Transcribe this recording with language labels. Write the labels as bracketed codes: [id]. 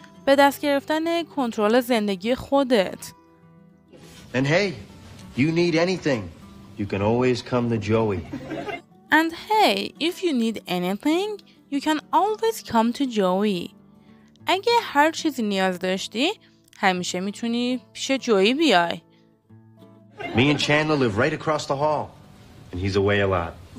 [fa] به دست گرفتن کنترل زندگی خودت. [en] And hey, you need anything, you can always come to Joey. And hey, if you need anything, you can always come to Joey. [fa] اگه هر چیزی نیاز داشتی، همیشه میتونی پیش جویی بیای. [en] Me and Chandler live right across the hall, and he's away a lot.